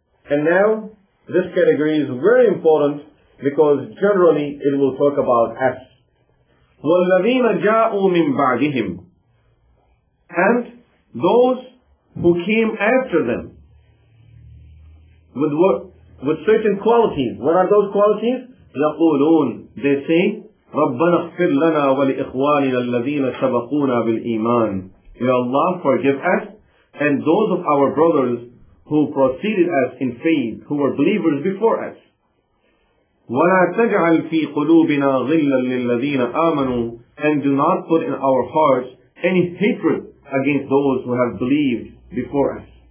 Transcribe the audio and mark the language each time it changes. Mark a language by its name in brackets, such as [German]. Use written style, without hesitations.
[English] And now, this category is very important because generally it will talk about us. [Arabic] وَالَّذِينَ جَاءُوا مِنْ بَعْدِهِمْ. [English] And those who came after them with certain qualities. What are those qualities? [Arabic] يَقُولُونَ. [English] They say, [Arabic] رَبَّنَا اغْفِرْ لَنَا وَلِإِخْوَانِنَا الَّذِينَ سَبَقُونَا بِالْإِيمَانِ. [English] Ya Allah, forgive us and those of our brothers who preceded us in faith, who were believers before us. [Arabic] وَلَا تَجْعَلْ فِي قُلُوبِنَا غِلًّا لِلَّذِينَ آمَنُوا. [English] And do not put in our hearts any hatred against those who have believed before us.